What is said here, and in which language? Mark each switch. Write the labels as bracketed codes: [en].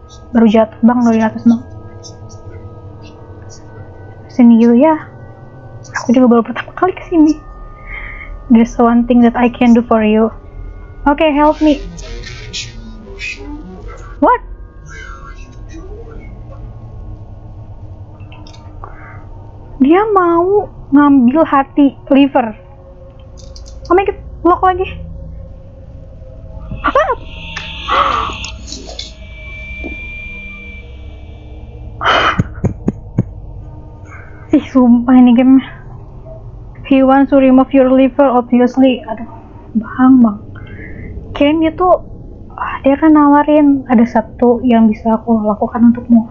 [id] Baru jatuh bang dari atas bang. Sini gitu ya. Aku juga baru pertama kali kesini. [en] There's one thing that I can do for you. Okay, help me. What? [id] Dia mau ngambil hati, liver. [en] Oh my god, [id] lock lagi. Apa? Ih, sumpah ini game. [en] He wants to remove your liver, obviously. [id] Aduh, bang, bang. Kirain dia tuh, dia kan nawarin ada satu yang bisa aku lakukan untukmu.